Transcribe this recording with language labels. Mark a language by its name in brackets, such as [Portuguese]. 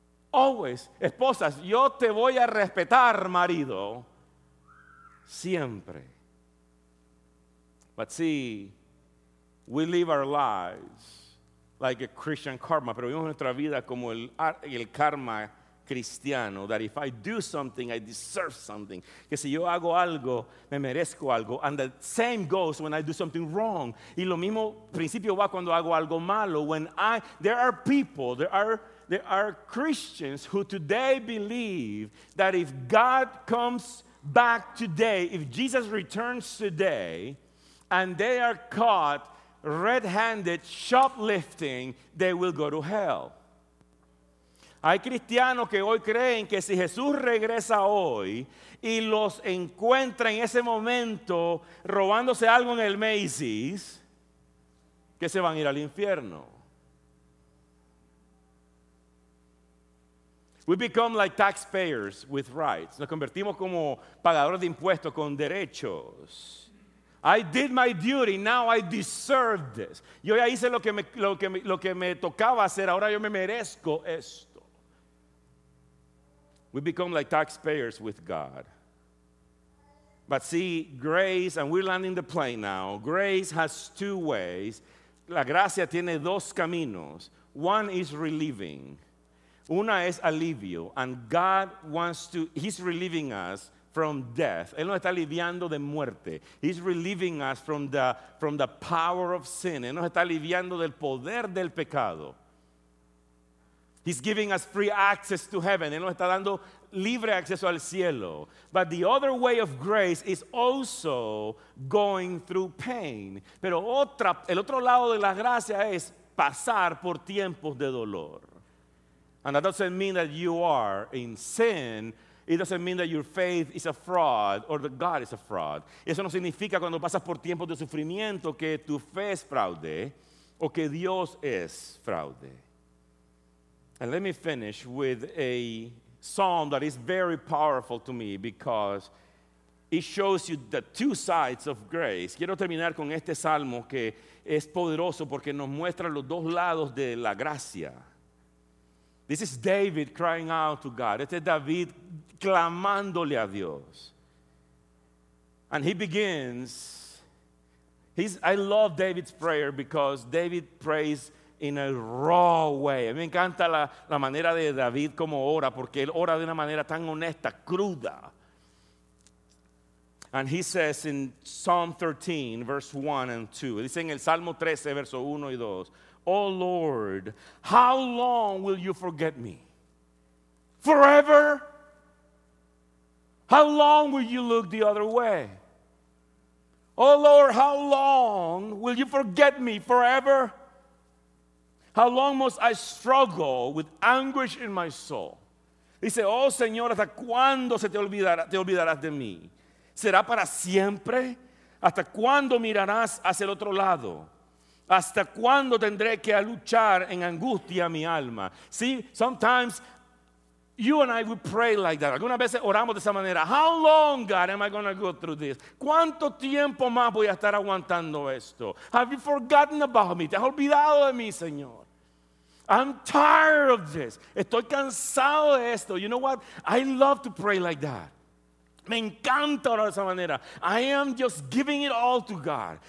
[English] Always. [Spanish] Esposas, yo te voy a respetar, marido. Siempre. [English] But see, we live our lives like a Christian karma. [Spanish] Pero vivimos nuestra vida como el karma cristiano. [English] That if I do something, I deserve something. [Spanish] Que si yo hago algo, me merezco algo. [English] And the same goes when I do something wrong. [Spanish] Y lo mismo principio va cuando hago algo malo. [English] There are Christians who today believe that if God comes back today, if Jesus returns today, and they are caught red-handed shoplifting, they will go to hell. [Spanish] Hay cristianos que hoy creen que si Jesús regresa hoy y los encuentra en ese momento robándose algo en el Macy's, que se van a ir al infierno. [English] We become like taxpayers with rights. [Spanish] Nos convertimos como pagadores de impuestos con derechos. [English] I did my duty, now I deserve this. [Spanish] Yo ya hice lo que me tocaba hacer, ahora yo me merezco esto. [English] We become like taxpayers with God. But see, grace, and we're landing the plane now. Grace has two ways. [Spanish] La gracia tiene dos caminos. [English] One is relieving. [Spanish] Una es alivio, [English] and God wants to, he's relieving us from death. [Spanish] Él nos está aliviando de muerte. [English] He's relieving us from the power of sin. [Spanish] Él nos está aliviando del poder del pecado. [English] He's giving us free access to heaven. [Spanish] Él nos está dando libre acceso al cielo. [English] But the other way of grace is also going through pain. [Spanish] Pero el otro lado de la gracia es pasar por tiempos de dolor. [English] And that doesn't mean that you are in sin. It doesn't mean that your faith is a fraud or that God is a fraud. [Spanish] Eso no significa cuando pasas por tiempos de sufrimiento que tu fe es fraude o que Dios es fraude. [English] And let me finish with a psalm that is very powerful to me because it shows you the two sides of grace. [Spanish] Quiero terminar con este salmo que es poderoso porque nos muestra los dos lados de la gracia. [English] This is David crying out to God. [Spanish] Este es David clamándole a Dios. [English] And he begins. I love David's prayer because David prays in a raw way. [Spanish] Me encanta la manera de David como ora, porque él ora de una manera tan honesta, cruda. [English] And he says in Psalm 13, verse 1 and 2. [Spanish] Dice en el Salmo 13, verso 1 y 2. [English] Oh Lord, how long will you forget me? Forever? How long will you look the other way? Oh Lord, how long will you forget me? Forever? How long must I struggle with anguish in my soul? [Spanish] Dice, oh Señor, ¿hasta cuándo se te olvidarás de mí? ¿Será para siempre? ¿Hasta cuándo mirarás hacia el otro lado? ¿Hasta cuándo tendré que luchar en angustia mi alma? [English] See, sometimes you and I would pray like that. [Spanish] Algunas veces oramos de esa manera. [English] How long, God, am I going to go through this? [Spanish] ¿Cuánto tiempo más voy a estar aguantando esto? [English] Have you forgotten about me? [Spanish] ¿Te has olvidado de mí, Señor? [English] I'm tired of this. [Spanish] Estoy cansado de esto. [English] You know what? I love to pray like that. [Spanish] Me encanta orar de esa manera. [English] I am just giving it all to God.